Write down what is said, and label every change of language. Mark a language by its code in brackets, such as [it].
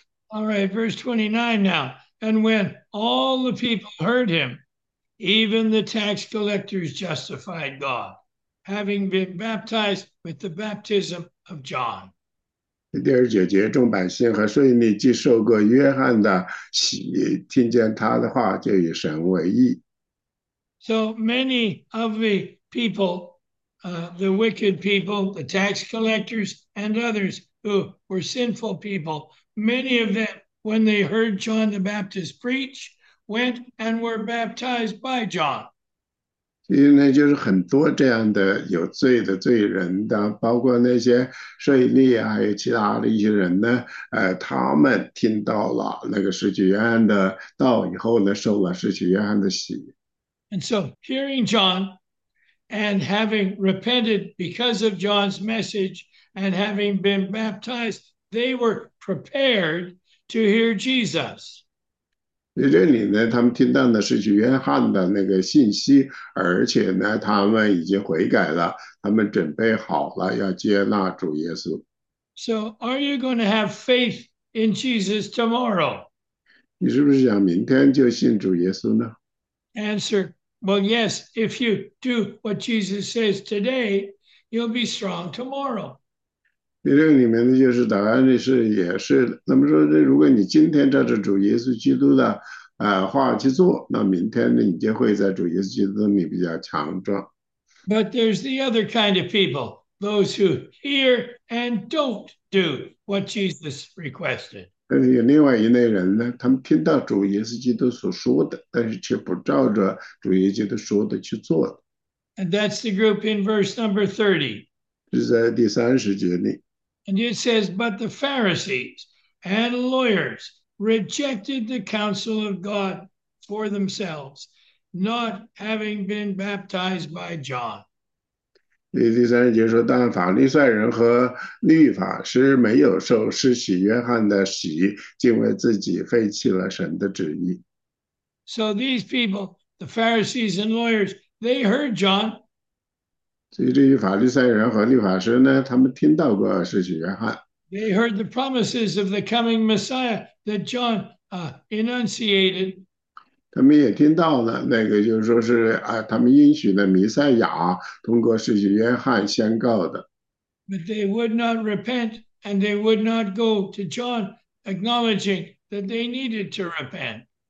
[en] All right, verse 29 now. And when all the people heard him, even the tax collectors justified God, having been baptized with the baptism of John. [zh] 第29节，众百姓和税吏既受过约翰的洗，听见他的话，就以神为义。 [en] So many of the people, the wicked people, the tax collectors, and others who were sinful people, many of them, when they heard John the Baptist preach, went and were baptized by John. [zh] 所以呢，就是很多这样的有罪的罪人的，包括那些税吏啊，还有其他的一些人呢，他们听到了那个使徒约翰的道以后呢，受了使徒约翰的洗。 [en] And so, hearing John and having repented because of John's message and having been baptized, they were prepared. To hear Jesus. [zh] 在这里呢，他们听到的是去约翰的那个信息，而且呢，他们已经悔改了，他们准备好了要接纳主耶稣。 [en] So, are you going to have faith in Jesus tomorrow? [zh] 你是不是想明天就信主耶稣呢？ [en] Answer, well, yes, if you do what Jesus says today, you'll be strong tomorrow. [zh] 你这个里面呢，就是答案呢是也是，那么说呢，如果你今天照着主耶稣基督的话去做，那明天呢，你就会在主耶稣基督里比较强壮。 [en] But there's the other kind of people, those who hear and don't do what Jesus requested. [zh] 但是有另外一类人呢，他们听到主耶稣基督所说的，但是却不照着主耶稣基督说的去做。 [en] And that's the group in verse number 30. [zh] 这是在第30节里。 [en] And it says, But the Pharisees and lawyers rejected the counsel of God for themselves, not having been baptized by John. [zh] 第三节说，但法利赛人和律法师没有受施洗约翰的洗，竟为自己废弃了神的旨意。 [en] So these people, the Pharisees and lawyers, they heard John. [zh] 所以，对于法利赛人和律法师呢，他们听到过施洗约翰。 [en] They heard the promises of the coming Messiah that John enunciated. [zh] 他们也听到了，那个就是说是啊，他们应许的弥赛亚通过施洗约翰宣告的。 [en] But they would not repent, and they would not go to John, acknowledging that they needed to repent.